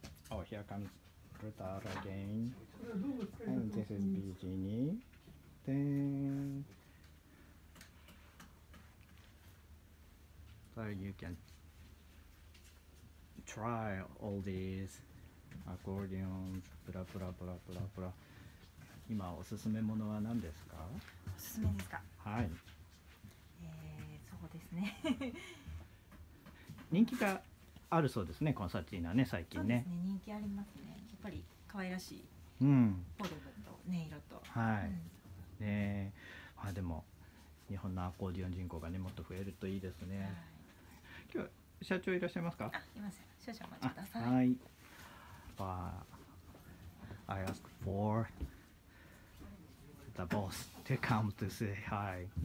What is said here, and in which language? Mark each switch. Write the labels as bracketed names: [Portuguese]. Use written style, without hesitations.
[English] Oh, here comes Brutal again. And this is Pigini. Then, so you can try all these. [Japanese] アコーディオン、プラプラプラプラプラ。今おすすめものは何ですか？おすすめですか？はい。そうですね。人気があるそうですね、コンサーティーナね、最近ね。そうですね、人気ありますね。やっぱり可愛らしい。うん。ボルブと音色と。はい。うん、ねえ、まあでも日本のアコーディオン人口がね、もっと増えるといいですね。はい、今日社長いらっしゃいますか？あ、います。少々お待ちください。はい。 [English] I asked for the boss to come to say hi.